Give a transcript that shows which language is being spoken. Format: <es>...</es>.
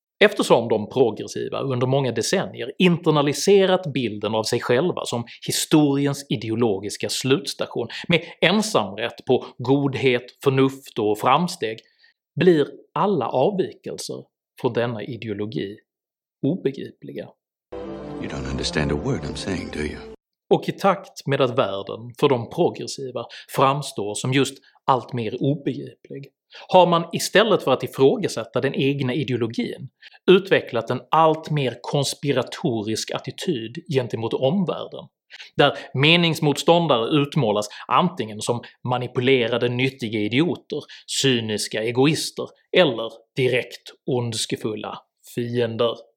<sv>Eftersom de progressiva under många decennier internaliserat bilden av sig själva som historiens ideologiska slutstation med ensamrätt på godhet, förnuft och framsteg, blir alla avvikelser från denna ideologi obegripliga.</sv> <en>You don't understand a word I'm saying, do you?</en> <sv>Och i takt med att världen för de progressiva framstår som just allt mer obegriplig har man istället för att ifrågasätta den egna ideologin utvecklat en allt mer konspiratorisk attityd gentemot omvärlden, där meningsmotståndare utmålas antingen som manipulerade nyttiga idioter, cyniska egoister eller direkt ondskefulla fiender.</sv>